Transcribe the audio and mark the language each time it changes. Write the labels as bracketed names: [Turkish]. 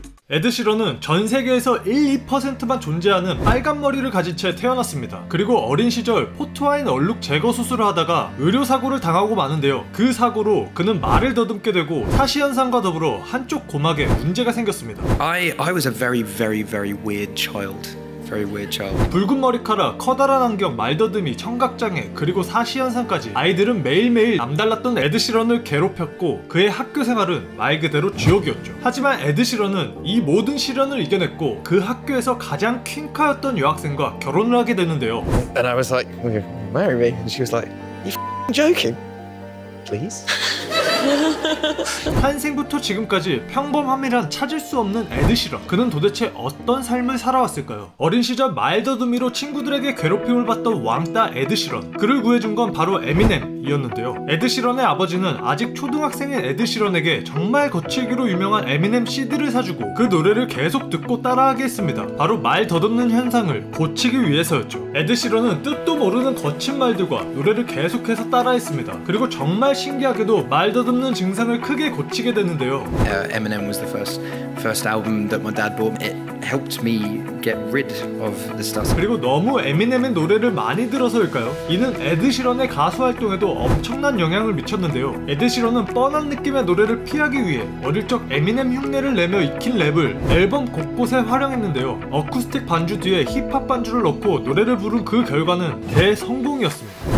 [Korean] 에드시런은 전세계에서 1-2%만 존재하는 빨간 머리를 가진 채 태어났습니다. 그리고 어린 시절 포트와인 얼룩 제거 수술을 하다가 의료사고를 당하고 마는데요. 그 사고로 그는 말을 더듬게 되고 사시현상과 더불어 한쪽 고막에 문제가 생겼습니다. [English] I was a very very very weird child. Very weird child. [Korean] 붉은 머리카락, 커다란 안경, 말더듬이, 청각장애, 그리고 사시현상까지 아이들은 매일매일 남달랐던 에드시런을 괴롭혔고 그의 학교생활은 말 그대로 지옥이었죠. 하지만 에드시런은 이 모든 시련을 이겨냈고 그 학교에서 가장 퀸카였던 여학생과 결혼을 하게 되는데요. [English] And I was like, will you marry me? And she was like, you f***ing joking? Please? [Korean] 탄생부터 지금까지 평범함이란 찾을 수 없는 에드시런. 그는 도대체 어떤 삶을 살아왔을까요? 어린 시절 말더듬이로 친구들에게 괴롭힘을 받던 왕따 에드시런, 그를 구해준 건 바로 에미넴이었는데요. 에드시런의 아버지는 아직 초등학생인 에드시런에게 정말 거칠기로 유명한 에미넴 CD를 사주고 그 노래를 계속 듣고 따라하게 했습니다. 바로 말더듬는 현상을 고치기 위해서였죠. 에드시런은 뜻도 모르는 거친 말들과 노래를 계속해서 따라했습니다. 그리고 정말 신기하게도 말 더듬는 증상을 크게 고치게 되는데요. [English] Eminem was the first album that my dad bought. It helped me get rid of the stuff. [Korean] 그리고 너무 에미넴의 노래를 많이 들어서일까요? 이는 에드시런의 가수 활동에도 엄청난 영향을 미쳤는데요. 에드시런은 뻔한 느낌의 노래를 피하기 위해 어릴 적 에미넴 흉내를 내며 익힌 랩을 앨범 곳곳에 활용했는데요. 어쿠스틱 반주 뒤에 힙합 반주를 넣고 노래를 부른 그 결과는 대성공이었습니다.